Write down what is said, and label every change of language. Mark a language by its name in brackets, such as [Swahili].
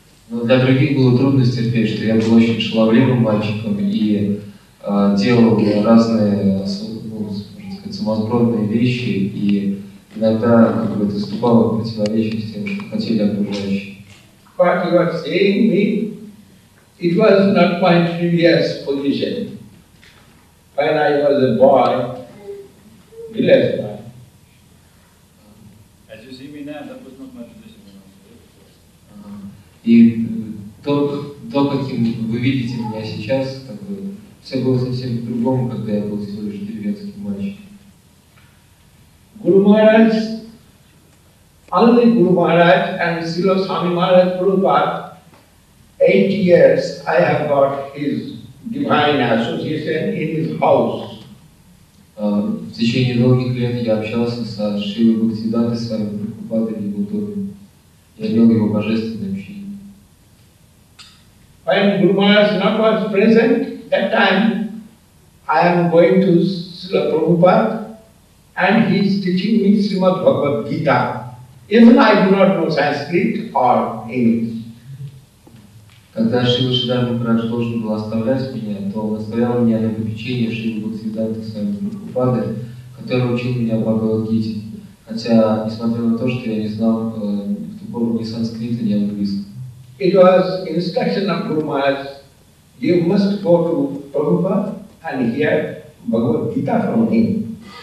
[Russian] Но для других было трудно терпеть, что я был очень шаловливым мальчиком и делал разные, сумасбродные вещи, и иногда как бы это вступало в противоречие с тем, что хотели окружающие. [English] But you are saying me, it was not my previous position. When I was a boy, village boy. As you see me now, that was not my position. [Russian] И то, каким вы видите меня сейчас, как бы, все было совсем по-другому, когда я был всего лишь деревенским мальчиком. [English] Guru Maharaj, only Guru Maharaj and Srila Swami Maharaj Prabhupada, 8 years I have got his divine association in his house. [Russian] В течение долгих лет я общался со Шрилой Бхактисиддхантой Свами Прабхупадой и его доме. Я имел его божественное общение. [English] When Guru Maharaj not was present, that time I am going to Srila Prabhupada. And he is teaching me Srimad Bhagavad Gita. Even I do not know Sanskrit or English. [Russian] Когда Шрила Шридхара Махарадж должен был оставлять меня, то он оставлял меня на попечение Шрилы Бхактисиддханты Свами Прабхупады, который учил меня Бхагавад Гите. Хотя, несмотря на то, что я не знал в ту пору ни санскрита, ни английского. [English] It was instruction of Guru Maharaj. You must go to Prabhupada and hear Bhagavad Gita from him.